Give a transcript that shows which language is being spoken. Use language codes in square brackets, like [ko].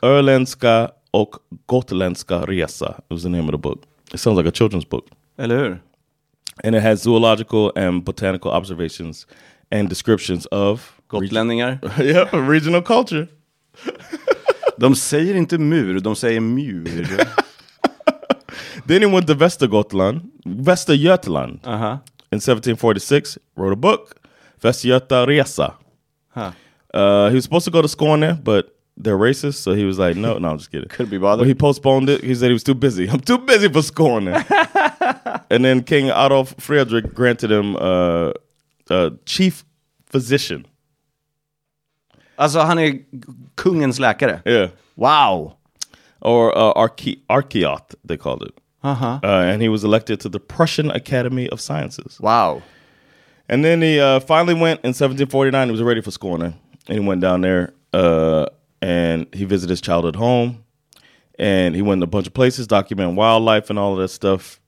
[en] Erländska och Gotländska resa was the name of the book. It sounds like a children's book. [sv] Eller hur? [en] And it has zoological and botanical observations and descriptions of... [sv] Gotlänningar. [en] Yeah, regional culture. [sv] De säger inte mur, de säger mur. [en] Then he went to Västergötland, Västergötland, uh-huh. in 1746, wrote a book, Västergötta resa. Huh. He was supposed to go to Skåne, but they're racist, so he was like, no, I'm just kidding. Couldn't be bothered. But he postponed it. He said he was too busy. I'm too busy for Skåne. And then King Adolf Fredrik granted him a chief physician. [sv] Alltså, han är kungens läkare? [en] Yeah. Wow. Or archaeot, they called it. Uh-huh. And he was elected to the Prussian Academy of Sciences. Wow. And then he finally went in 1749. He was ready for Skåne. And he went down there and he visited his childhood home. And he went to a bunch of places, documenting wildlife and all of that stuff.